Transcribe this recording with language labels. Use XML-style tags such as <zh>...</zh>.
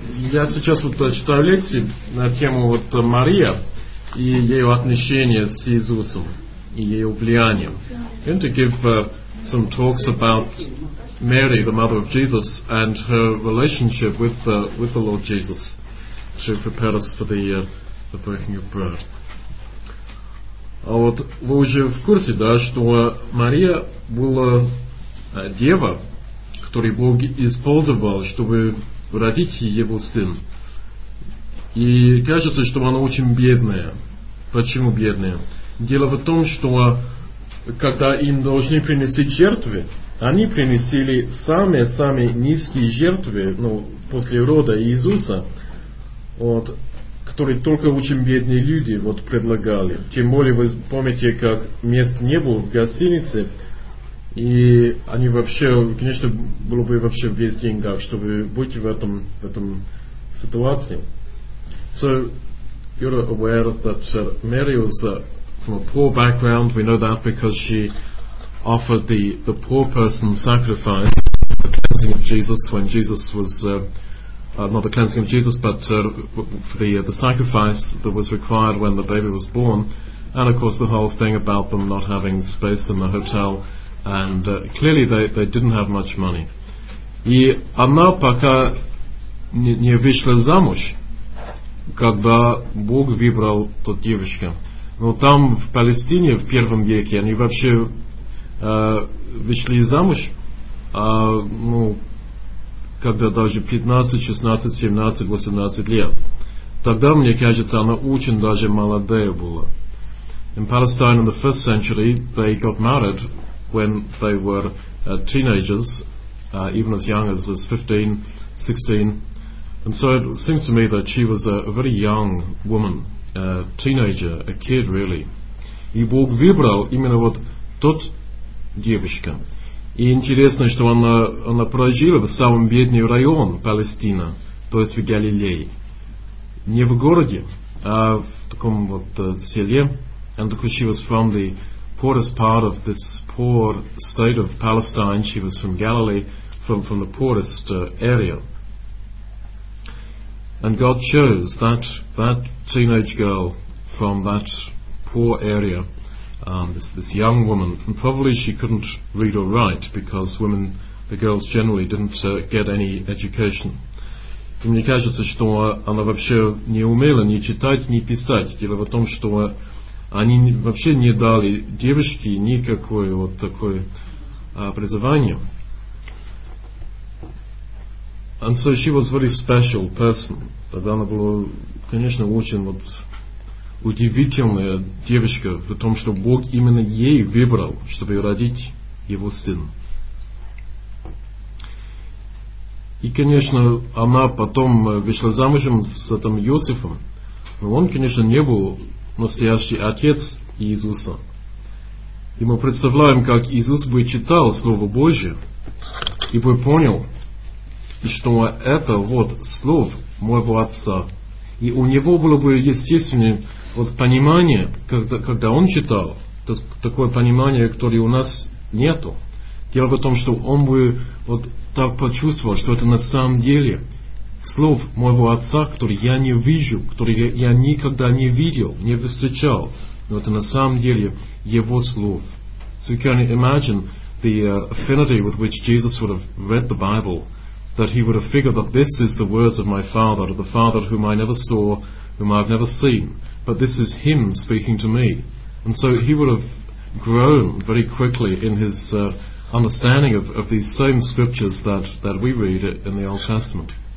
<ru>я сейчас вот читаю лекции на тему вот Мария и ее отношения с Иисусом и ее влиянием.</ru> <en>I'm going to give some talks about Mary, the mother of Jesus, and her relationship with the Lord Jesus to prepare us for the breaking of bread.</en> <ru>А вот вы уже в курсе, да, что Мария была дева, который Бог использовал, чтобы родить его сын. И кажется, что она очень бедная. Почему бедная? Дело в том, что когда им должны принести жертвы, они принесли самые-самые низкие жертвы, ну, после рода Иисуса, вот, которые только очень бедные люди вот, предлагали. Тем более, вы помните, как мест не было в гостинице, и они вообще, конечно, было бы вообще весь деньгах, чтобы быть в этом ситуации.</ru> <en>So, you're aware that Mary was from a poor background. We know that because she offered the poor person sacrifice, the cleansing of Jesus, when Jesus was, not the cleansing of Jesus, but for the sacrifice that was required when the baby was born. And of course, the whole thing about them not having space in the hotel. And clearly they didn't have much money.</en> <ru>И она пока не вышла замуж, когда Бог выбрал ту девочку. Но там в Палестине в первом веке они вообще вышли замуж, ну, когда даже 15, 16, 17, 18 лет. Тогда, мне кажется, она очень даже молодая была.</ru> <en>In Palestine in the first century they got married when they were teenagers, even as young as 15, 16. And so it seems to me that she was a very young woman, a teenager, a kid really.</en> <ru>И Бог выбрал именно вот тот девочка. И интересно, что она прожила в самом бедный район Палестина, то есть в Галилее. Не в городе, а в таком вот селе.</ru> <en>And because she was from the poorest part of this poor state of Palestine. She was from Galilee, from the poorest area. And God chose that teenage girl from that poor area, this young woman. And probably she couldn't read or write because women, the girls generally didn't get any education.</en> <ru>И мне кажется, что она вообще не умела ни читать, ни писать. Дело в том, что они вообще не дали девочке никакое вот такое образование.</ru> <en>And so she was a very special person.</en> <ru>Тогда она была, конечно, очень вот удивительная девочка в том, что Бог именно ей выбрал, чтобы родить его сын. И, конечно, она потом вышла замужем с этим Иосифом. Но он, конечно, не был настоящий отец Иисуса. И мы представляем, как Иисус бы читал Слово Божие и бы понял, что это вот Слово моего Отца. И у него было бы естественное вот понимание, когда он читал, такое понимание, которое у нас нету. Дело в том, что он бы вот так почувствовал, что это на самом деле Слов моего Отца, который я не вижу, который я никогда не видел, не встречал. Но это на самом деле Его Слов.</ru> <en>So you can imagine the affinity with which Jesus would have read the Bible, that he would have figured that this is the words of my Father, the Father whom I never saw, whom I have never seen. But this is Him speaking to me. And so he would have grown very quickly in his understanding of these same scriptures that we read in the Old Testament.</en>